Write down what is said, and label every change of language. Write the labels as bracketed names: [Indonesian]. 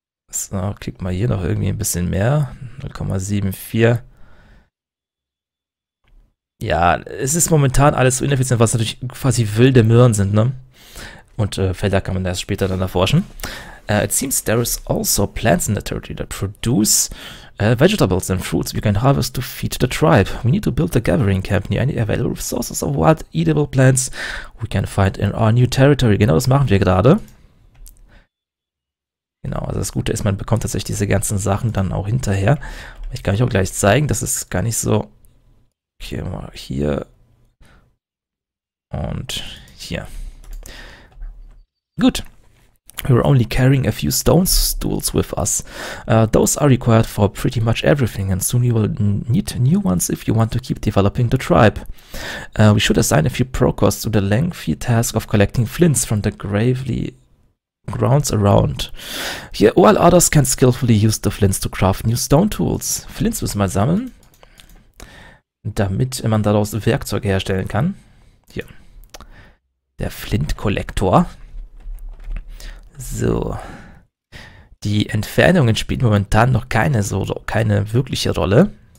[German] So, klickt mal hier noch irgendwie ein bisschen mehr. 0,74. Ja, es ist momentan alles so ineffizient, was natürlich quasi wilde Möhren sind, ne? Und Felder kann man erst später dann erforschen. [English] It seems there is also plants in the territory that produce vegetables and fruits we can harvest to feed the tribe. We need to build a gathering camp near any available resources of wild edible plants we can find in our new territory. [German] Genau das machen wir gerade. Genau, also das Gute ist, man bekommt tatsächlich diese ganzen Sachen dann auch hinterher. Ich kann euch auch gleich zeigen, das ist gar nicht so. Okay, mal hier. Und hier. Gut. [English] We were only carrying a few stone stools with us. Those are required for pretty much everything, and soon you will need new ones if you want to keep developing the tribe. We should assign a few prokos to the lengthy task of collecting flints from the gravelly grounds around. Here, while others can skillfully use the flints to craft new stone tools. [German] Flints müssen wir sammeln, damit man daraus Werkzeuge herstellen kann. Hier. Der Flint-Kollektor. So, die Entfernungen spielen momentan noch keine wirkliche Rolle.